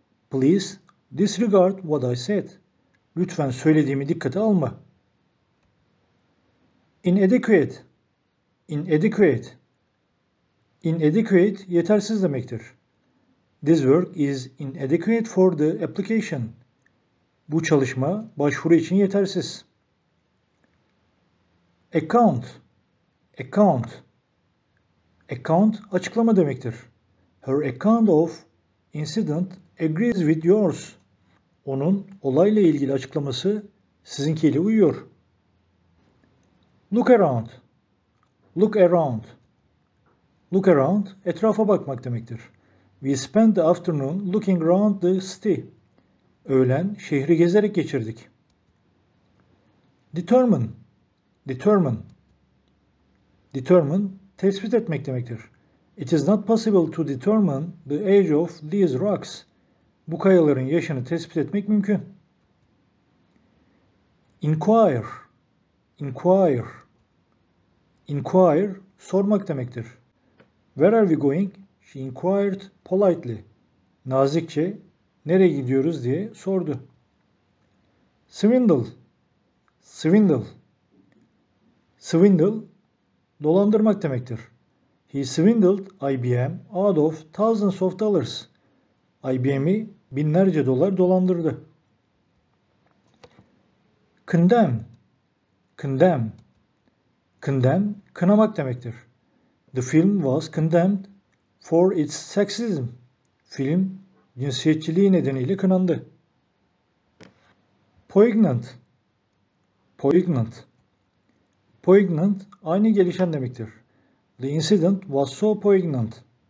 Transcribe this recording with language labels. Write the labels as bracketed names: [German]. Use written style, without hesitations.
[English] Please disregard what I said. [Turkish] Lütfen söylediğimi dikkate alma. [English] Inadequate. Inadequate. Inadequate [Turkish] yetersiz demektir. [English] This work is inadequate for the application. [Turkish] Bu çalışma başvuru için yetersiz. [English] Account. Account. Account [Turkish] açıklama demektir. [English] Her account of incident agrees with yours. [Turkish] Onun olayla ilgili açıklaması sizinkiyle uyuyor. [English] Look around. Look around. [Turkish] Look around etrafa bakmak demektir. [English] We spent the afternoon looking around the city. [Turkish] Öğlen şehri gezerek geçirdik. [English] Determine. Determine. [Turkish] Determine tespit etmek demektir. [English] It is not possible to determine the age of these rocks. [Turkish] Bu kayaların yaşını tespit etmek mümkün. [English] Inquire. Inquire. Inquire [Turkish] sormak demektir. [English] Where are we going? She inquired politely. [Turkish] Nazikçe nereye gidiyoruz diye sordu. [English] Swindle. Swindle. [Turkish] Swindle dolandırmak demektir. [English] He swindled IBM out of thousands of dollars. [Turkish] IBM'i binlerce dolar dolandırdı. [English] Condemn. Condemn. Condemn [Turkish] kınamak demektir. [English] The film was condemned for its sexism. [Turkish] Film cinsiyetçiliği nedeniyle kınandı. [English] Poignant. Poignant. [Turkish] Poignant aynı gelişen demektir. [English] The incident was so poignant.